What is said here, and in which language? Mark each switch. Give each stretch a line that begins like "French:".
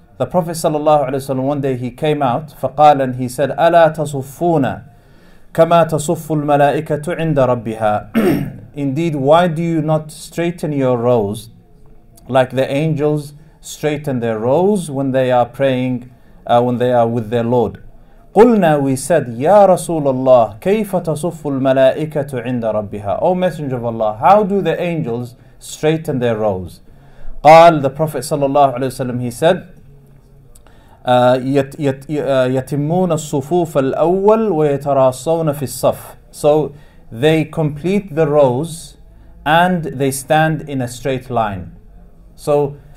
English: The Prophet sallallahu alaihi wasallam, one day he came out,
Arabic: فقال,
English: and he said,
Arabic: ألا تصفون كما تصف الملائكة عند ربها.
English: Indeed, why do you not straighten your rows like the angels straighten their rows when they are praying, when they are with their Lord?
Arabic: قلنا,
English: we said,
Arabic: يا رسول الله كيف تصف الملائكة عند ربها.
English: O Messenger of Allah, how do the angels straighten their rows?
Arabic: قال,
English: the Prophet sallallahu alaihi wasallam, he said,
Arabic: يتمون الصفوف الأول ويتراصون في الصف.
English: So they complete the rows and they stand in a straight line. So